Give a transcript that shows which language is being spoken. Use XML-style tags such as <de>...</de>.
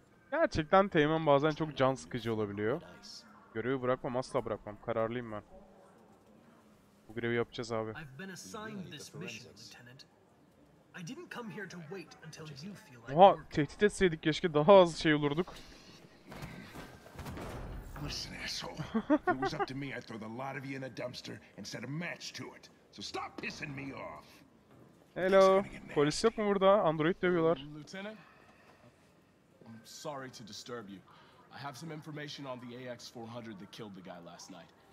<tr>Gerçekten Teğmen bazen çok can sıkıcı olabiliyor. Görevi bırakmam, asla bırakmam. Kararlıyım ben. Bu görevi yapacağız abi.</tr> <en>I've been assigned this mission, Lieutenant. I didn't come here to wait until you feel like.</en> <tr>Oha, tehdit etseydik keşke daha az şey olurduk.</tr> <en>Listen, asshole. If it was up to me, I'd throw the lot of you in a dumpster and set a match to it. So stop pissing me off.</en> <tr>Hello. Polis yok mu burada? Android dövüyorlar.</tr> <en>Lieutenant, I'm sorry to disturb you. I have some information on the AX400 that killed the guy last night.</en>